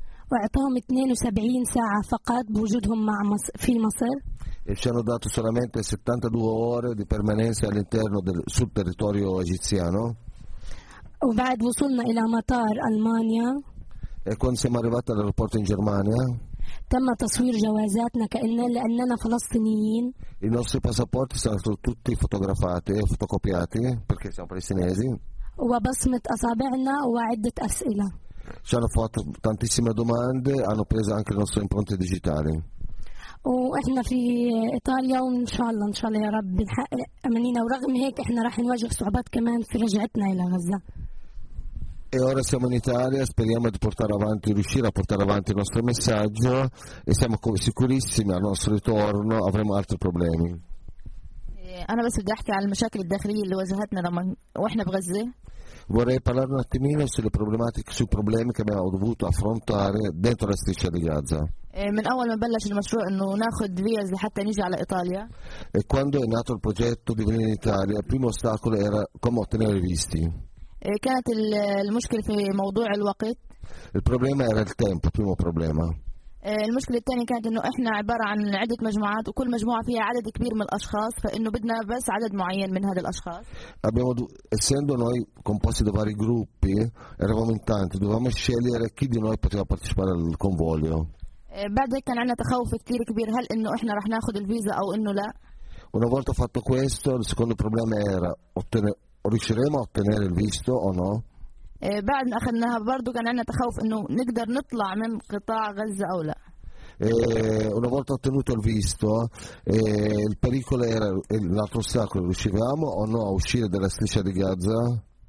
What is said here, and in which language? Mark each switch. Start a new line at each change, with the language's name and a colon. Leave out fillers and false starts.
Arabic: وأعطاهم 72 ساعة فقط بوجودهم في مصر.
Italian: E ci hanno dato solamente 72 ore di permanenza all'interno del sul territorio egiziano.
Arabic: وبعد وصلنا إلى مطار ألمانيا.
Italian: E quando siamo arrivati all'aeroporto in Germania.
Arabic: تم تصوير جوازاتنا لأننا فلسطينيين.
Italian: I nostri passaporti sono tutti fotografati e fotocopiati perché siamo palestinesi.
Arabic: وبصمة أصابعنا وعدة أسئلة.
Italian: Ci hanno fatto tantissime domande, hanno preso anche le nostre impronte digitali. E ora siamo in Italia, speriamo di portare avanti, riuscire a portare avanti il nostro messaggio, e siamo sicurissimi al nostro ritorno avremo altri problemi.
Arabic: انا بس بدي احكي عن المشاكل الداخليه اللي واجهتنا لما واحنا بغزه.
Italian: Vorrei parlare un attimino sulle problematiche, sui problemi che abbiamo dovuto affrontare dentro la striscia di Gaza.
Arabic: من اول ما بلش المشروع انه ناخذ فيز لحتى نيجي على ايطاليا.
Italian: E quando è nato il progetto di venire in Italia, il primo ostacolo era come ottenere i visti.
Arabic: كانت المشكله في موضوع الوقت.
Italian: Il problema era il tempo, il primo problema.
Arabic: المشكلة الثانية كانت إنه إحنا عبارة عن عدة مجموعات وكل مجموعة فيها عدد كبير من الأشخاص فإنه بدنا بس عدد معين من هذه الأشخاص.
Italian: Abbiamo essendo noi composti da vari gruppi eravamo in tanti dovevamo scegliere chi di noi poteva partecipare al convoglio.
Arabic: بعد كان عندنا تخوف كتير كبير هل إنه إحنا رح ناخد الفيزا أو إنه لا.
Italian: Una volta fatto questo il secondo problema era riusciremo a ottenere il visto o no.
Arabic: بعد ما اخذناها برضه كان عندنا تخوف انه نقدر نطلع من قطاع غزه او لا.
Italian: Una volta ottenuto il visto, il pericolo era l'altro ostacolo, riuscivamo o no a uscire dalla striscia di Gaza?